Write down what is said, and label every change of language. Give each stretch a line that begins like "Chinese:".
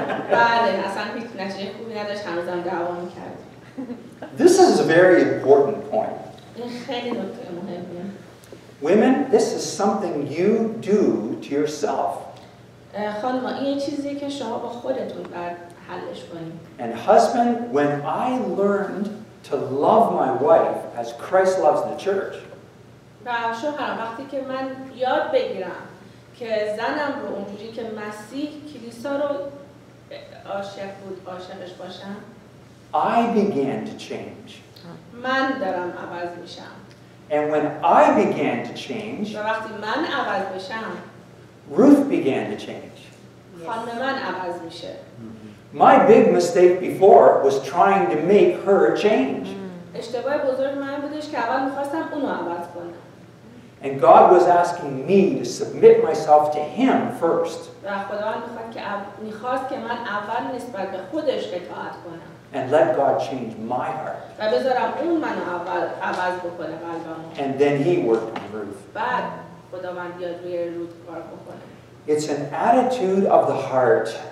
Persian: بله، اصلا هیچ نتیجه خوبی نداشت، هنوزم دعوا میکرد.
English: This is a very important point.
Persian: خیلی نکته مهمیه.
English: Women, this is something you do to yourself.
Persian: خانم، این چیزی که شما با خودتون باید حلش کنید.
English: And husband, when I learned to love my wife as Christ loves the church.
Persian: و شوهر، وقتی که من یاد بگیرم که زنم رو اونجوری که مسیح کلیسا رو عاشق بود عاشقش باشم.
English: I began to change.
Persian: من دارم عوض میشم.
English: And when I began to change,
Persian: وقتی من عوض بشم,
English: Ruth began to change.
Persian: خانم من عوض میشه.
English: My big mistake before was trying to make her change.
Persian: اشتباه بزرگ من بودش که اول می‌خواستم اونو عوض کنم.
English: And God was asking me to submit myself to Him first.
Persian: و خداوند می‌خواست که من اول نسبت به خودش اطاعت کنم.
English: And let God change my heart.
Persian: و بذارم اون منو اول عوض بکنه قلبمو.
English: And then He worked on Ruth.
Persian: بعد خداوند یاد روی روت کار بکنه.
English: It's an attitude of the heart.